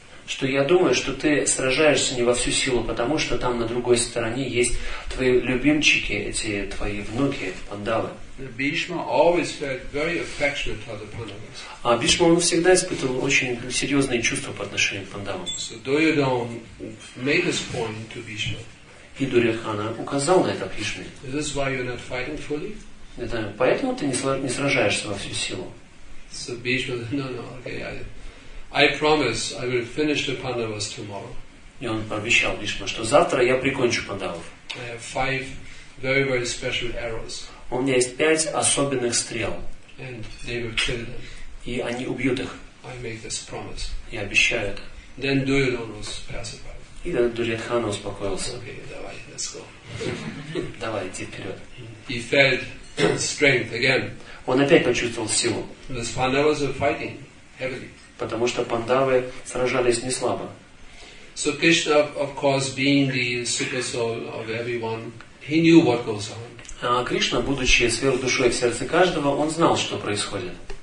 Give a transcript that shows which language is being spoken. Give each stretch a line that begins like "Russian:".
Russian: Что я думаю, что ты сражаешься не во всю силу, потому что там на другой стороне есть твои любимчики, эти твои внуки, Пандавы.
English: Bhishma always felt very affectionate toward the Pandavas.
Russian: А Бхишма он всегда испытывал очень серьезные чувства по отношению к Пандавам.
English: So Duryodhana made this point to Bhishma.
Russian: И Дурьодхана указал на это Бхишме.
English: This is why you're not fighting fully.
Russian: Это поэтому ты не сражаешься во всю силу.
English: So Bhishma, okay, I promise I will finish the Pandavas tomorrow.
Russian: И он пообещал Бхишме, что завтра я прикончу Пандавов.
English: I have five very very special arrows.
Russian: У меня есть пять особенных стрел.
English: And they will kill them.
Russian: И они убьют их.
English: I make this promise.
Russian: Я обещаю это.
English: Then Duryodhana was pacified.
Russian: И Дурьодхана успокоился.
English: Okay,
Russian: давай,
English: let's go.
Russian: Давай, иди вперед.
English: He felt strength again.
Russian: Он опять почувствовал силу.
English: The Pandavas were fighting heavily.
Russian: Потому что пандавы сражались не слабо.
English: So Krishna, of course, being the super soul of everyone, he knew what goes on.
Russian: А Кришна, будучи сверхдушой в сердце каждого, он знал, что происходит.